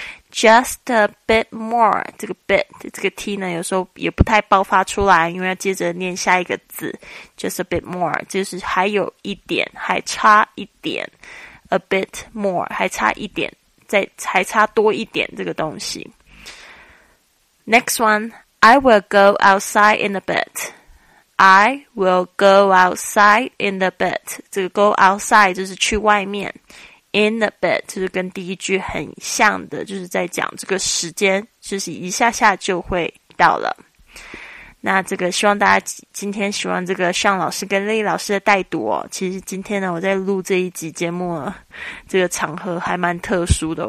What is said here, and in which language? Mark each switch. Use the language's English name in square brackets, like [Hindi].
[English] Just a bit more. [Chinese] 这个 bit 这个 t 呢，有时候也不太爆发出来，因为要接着念下一个字。 [English] Just a bit more. [Chinese] 就是还有一点，还差一点。 [English] A bit more. [Chinese] 还差一点，再还差多一点这个东西。 [English] Next one. I will go outside in a bit. I will go outside in a bit. [Chinese] 这个 [English] go outside [Chinese] 就是去外面。 [English] In a bit [Chinese] 就是跟第一句很像的，就是在讲这个时间，就是一下下就会到了。那这个希望大家今天喜欢这个尚老师跟丽老师的带读哦。其实今天呢，我在录这一集节目呢，这个场合还蛮特殊的。